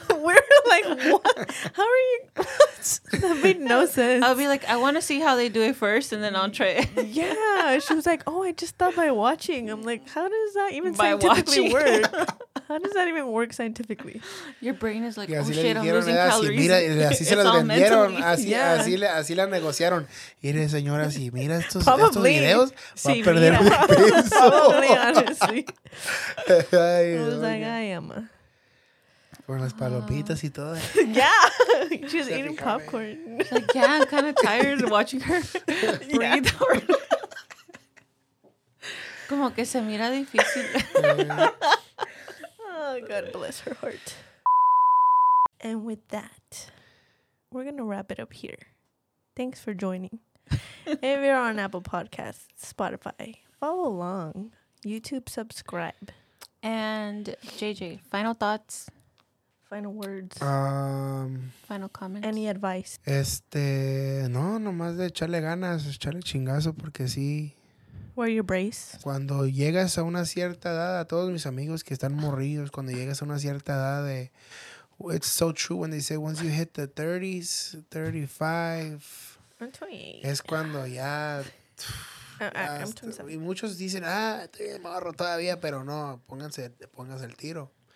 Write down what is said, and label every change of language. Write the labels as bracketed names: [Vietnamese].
[English] We were like, what? How are you? That made no sense. I'll be like, I want to see how they do it first and then I'll try it. Yeah. She was like, oh, I just thought by watching. I'm like, how does that even by scientifically watching. Work? How does that even work scientifically? Your brain is like, oh shit, I'm losing calories. [Spanish] Así se las vendieron. Así la negociaron. Mire, señora, si mira estos videos, va a perder mi peso. [English] Probably, honestly. I was like, [Spanish] ay, ama. Con las palomitas y todo. [English] Yeah. She was eating popcorn. She's like, yeah, I'm kind of tired watching her breathe. [Spanish] Como que se mira difícil. [English] God bless her heart. And with that, we're going to wrap it up here. Thanks for joining. If you're on Apple Podcasts, Spotify, follow along. YouTube, subscribe. And JJ, final thoughts? Final words? Final comments? Any advice? [Spanish] No, nomás de echarle ganas, echarle chingazo, porque sí. [English] Wear your brace. [Spanish] Cuando llegas a una cierta edad, a todos mis amigos que están morridos, cuando llegas a una cierta edad de... [English] It's so true when they say once you hit the 30s, 35... I'm 28. [Spanish] Es cuando ya... [English] I'm 27. [Spanish] Y muchos dicen, estoy en morro todavía, pero no, pónganse el tiro.